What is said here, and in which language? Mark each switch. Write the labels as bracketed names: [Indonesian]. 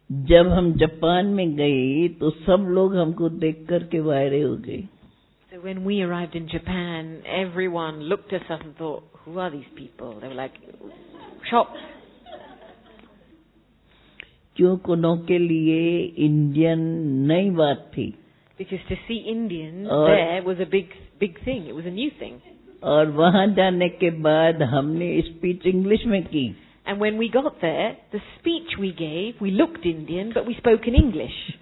[Hindi] जब हम जापान में गए तो सब लोग हमको देख करके वायरे हो गए. [English] So when we arrived in Japan, everyone looked at us and thought, who are these people? They were like, shop. [Hindi] क्योंकि उनके लिए इंडियन नई बात थी. [English] Because to see Indians there was a big thing. It was a new thing. [Hindi] और वहां जाने के बाद हमने स्पीच इंग्लिश में की. [English] And when we got there, the speech we gave, we looked Indian, but we spoke in English.